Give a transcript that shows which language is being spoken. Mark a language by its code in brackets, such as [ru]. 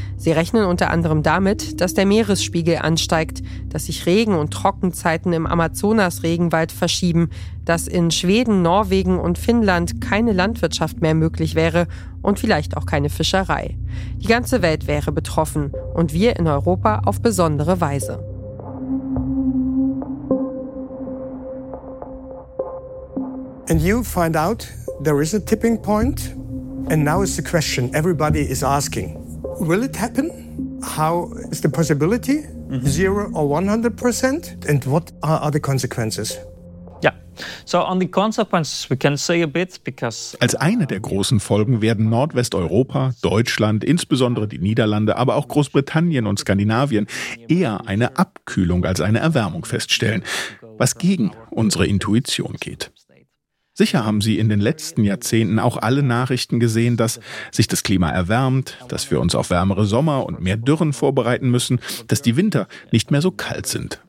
[de] Sie rechnen unter anderem damit, dass der Meeresspiegel ansteigt, dass sich Regen- und Trockenzeiten im Amazonas-Regenwald verschieben, dass in Schweden, Norwegen und Finnland keine Landwirtschaft mehr möglich wäre und vielleicht auch keine Fischerei. Die ganze Welt wäre betroffen und wir in Europa auf besondere Weise. [en] And you find out there is a tipping point, and now is the question everybody is asking. Will it happen? How is the possibility? Mm-hmm. 0 or 100%? And what are the consequences? So on the consequences we can say a bit because [de] als eine der großen Folgen werden Nordwesteuropa, Deutschland, insbesondere die Niederlande, aber auch Großbritannien und Skandinavien eher eine Abkühlung als eine Erwärmung feststellen, was gegen unsere Intuition geht. Sicher haben Sie in den letzten Jahrzehnten auch alle Nachrichten gesehen, dass sich das Klima erwärmt, dass wir uns auf wärmere Sommer und mehr Dürren vorbereiten müssen, dass die Winter nicht mehr so kalt sind.